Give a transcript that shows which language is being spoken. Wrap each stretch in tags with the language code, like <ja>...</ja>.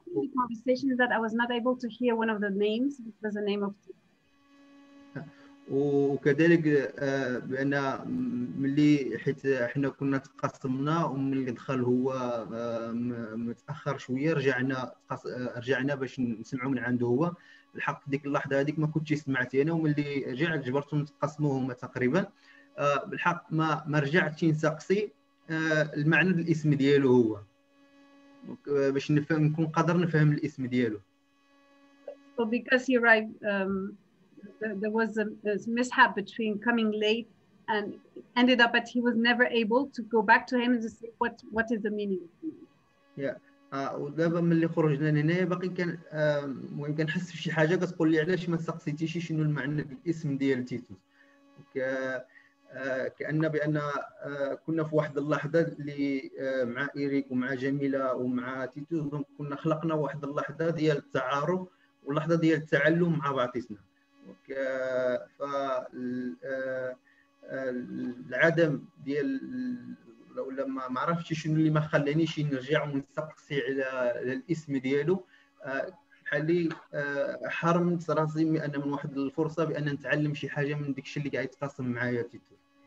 <en>The conversation is that I was not able to hear one of the names because the name of</en> <ar>وكذلك بان ملي حيت حنا كنا تقاسمنا وملي دخل هو متاخر شويه رجعنا باش نسمعوا من عنده هو الحق ديك اللحظه هذيك ما كنتش سمعتي انا وملي رجعت جبرتو نتقاسموا هما تقريبا بالحق ما رجعتش نسقسي المعنى الاسم ديالو هو باش نفهم نكون قادر نفهم الاسم ديالو.</ar> <en>So because you're right, there was this mishap between coming late and ended up but he was never able to go back to him and just say what is the meaning. Yeah.</en> <ar>ودابا ملي خرجنا لهنا باقي كان المهم كنحس بشي حاجه كتقول لي علاش ما سقسيتيش شنو المعنى الاسم ديال تيتوس. كأن بأن كنا في واحد اللحظة اللي مع إيريك ومع جميلة ومع تيتو كنا خلقنا واحد اللحظة ديال التعارف واللحظة ديال التعلم مع بعضنا فالعدم ديال لو لما ما عرفتش شنو اللي ما خلانيش نرجع ونستقصي على الاسم ديالو حالي حرمت راسي بأن من واحد الفرصة بأن نتعلم شي حاجة من ديك الشيء اللي قاعد يتقاسم معايا تيتو.</ar>